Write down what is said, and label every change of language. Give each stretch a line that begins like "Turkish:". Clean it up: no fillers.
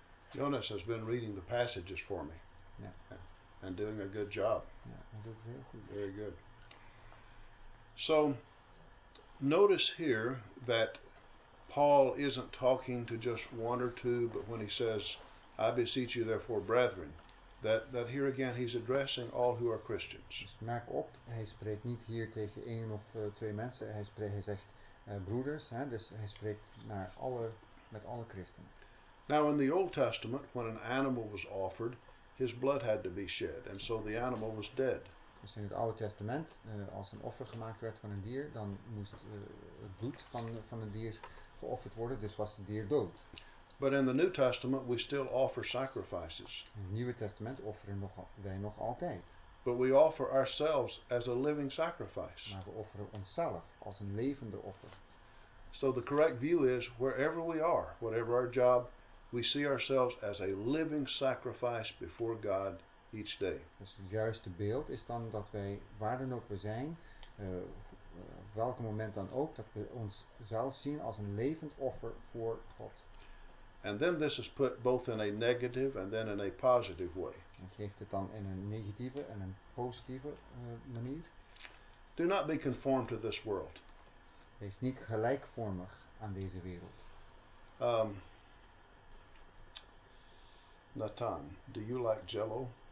English: Jonas has been reading the passages for me. Yeah. and doing a good job. Very good. So notice here that Paul isn't talking to just one or two, but when he says, I beseech you therefore, brethren, that here again he's addressing all who are Christians.
Dutch: Merk op, hij spreekt niet hier tegen één of twee mensen, hij zegt broeders, hè, dus hij spreekt naar alle, met alle christenen.
English: Now in the Old Testament, when an animal was offered, his blood had to be shed, and so the animal was dead.
Dutch: Dus in het Oude Testament, als een offer gemaakt werd van een dier, dan moest het bloed van een dier geofferd worden, dus was het dier dood.
English: But in the New Testament, we still offer sacrifices.
Dutch: In het Nieuwe Testament offeren wij nog altijd.
English: But we offer ourselves as a living sacrifice.
Dutch: Maar we offeren onszelf als een levende offer.
English: So the correct view is, wherever we are, whatever our job, we see ourselves as a living sacrifice before God each day.
Dutch: Dus het juiste beeld is dan dat wij, waar dan ook we zijn, op welk moment dan ook, dat we onszelf zien als een levend offer voor God.
English: And then this is put both in a negative and then in a positive way.
Dutch: En geeft het dan in een negatieve en een positieve manier.
English: Do not be conformed to this world.
Dutch: Wees niet gelijkvormig aan deze wereld.
English: Nathan, do you like Jell-O?